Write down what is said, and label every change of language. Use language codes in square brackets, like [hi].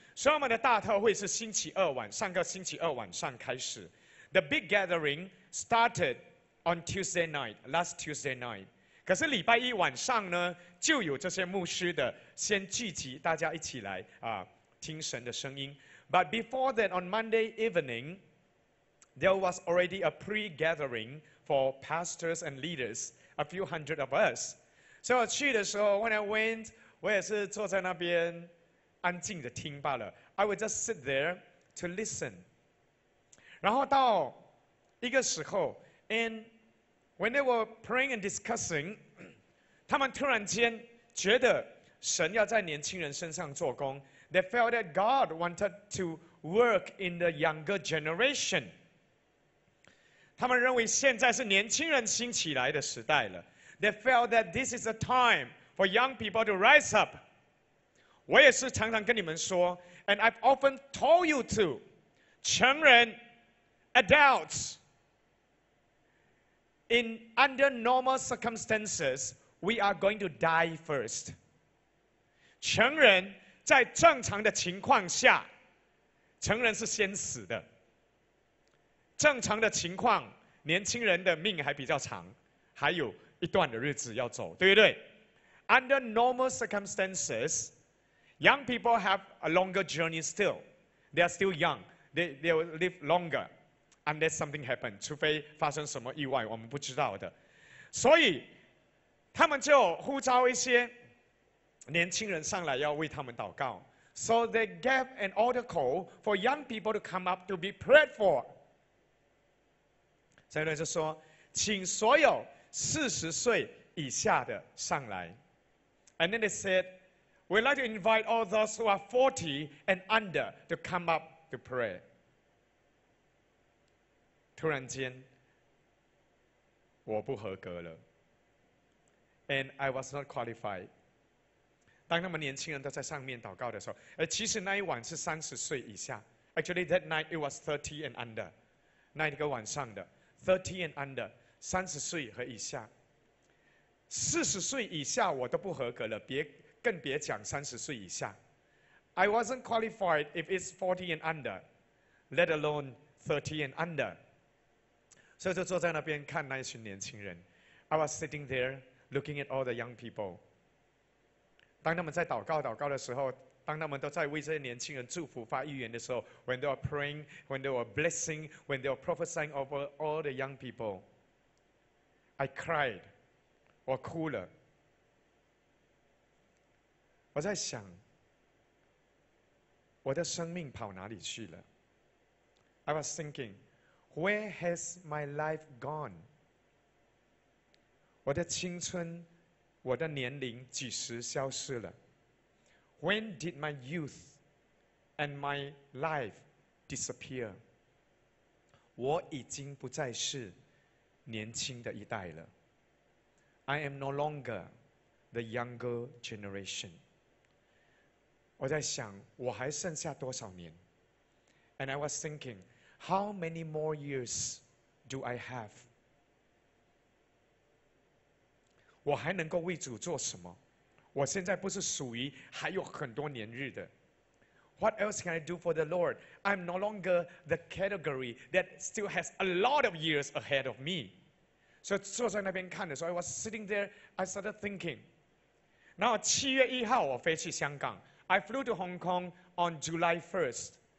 [zh] So, 我们的大特会是星期二晚，上个星期二晚上开始。 [en] The big gathering started on Tuesday night, last Tuesday night. [zh] 可是礼拜一晚上呢，就有这些牧师的先聚集，大家一起来啊，听神的声音。 [en] But before that, on Monday evening, there was already a pre-gathering for pastors and leaders, a few hundred of us. [zh] So 我去的时候 [en] when I went, [zh] 我也是坐在那边安静的听罢了。 [en] I would just sit there to listen. [zh] 然后到一个时候 [en] and when they were praying and discussing, [zh] 他们突然间觉得神要在年轻人身上做工。 [en] They felt that God wanted to work in the younger generation. [zh] 他们认为现在是年轻人兴起来的时代了。 [en] They felt that this is a time for young people to rise up. [zh] 我也是常常跟你们说 [en] and I've often told you to, [zh] 成人 [en] adults, in under normal circumstances, we are going to die first. [zh] 成人在正常的情况下，成人是先死的。正常的情况，年轻人的命还比较长，还有一段的日子要走，对不对？ [en] Under normal circumstances, young people have a longer journey still. They are still young. They will live longer unless something happens. [zh] 除非发生什么意外，我们不知道的。所以他们就呼召一些年轻人上来要为他们祷告。 [en] So they gave an altar call for young people to come up to be prayed for. [zh] 所以呢就说，请所有40岁以下的上来。 [en] And then they said, we'd like to invite all those who are 40 and under to come up to pray. [zh] 突然间，我不合格了。 [en] And I was not qualified. [zh] 当那么年轻人都在上面祷告的时候，其实那一晚是30岁以下。 [en] Actually, that night it was 30 and under. [zh] 那一个晚上的 [en] 30 and under, [zh] 30岁和以下。 40岁以下我都不合格了，更别讲30岁以下。 [en] I wasn't qualified if it's 40 and under, let alone 30 and under. [zh] 所以就坐在那边看那一群年轻人。 [en] I was sitting there looking at all the young people. [zh] 当他们在祷告的时候，当他们都在为这些年轻人祝福发预言的时候， [en] when they were praying, when they were blessing, when they were prophesying over all the young people, I cried, [zh] 我哭了。我在想，我的生命跑哪里去了？ [en] I was thinking, where has my life gone? [zh] 我的青春，我的年龄几时消失了？ [en] When did my youth and my life disappear? [zh] 我已经不再是年轻的一代了。 [en] I am no longer the younger generation. [zh] 我在想我还剩下多少年？ [en] And I was thinking, how many more years do I have? [zh] 我还能够为主做什么？我现在不是属于还有很多年日的。 [en] What else can I do for the Lord? I'm no longer the category that still has a lot of years ahead of me. [zh] 所以坐在那边看的时候， [en] I was sitting there, I started thinking. [zh] 然后7月1号我飞去香港， [en] I flew to Hong Kong on July 1st.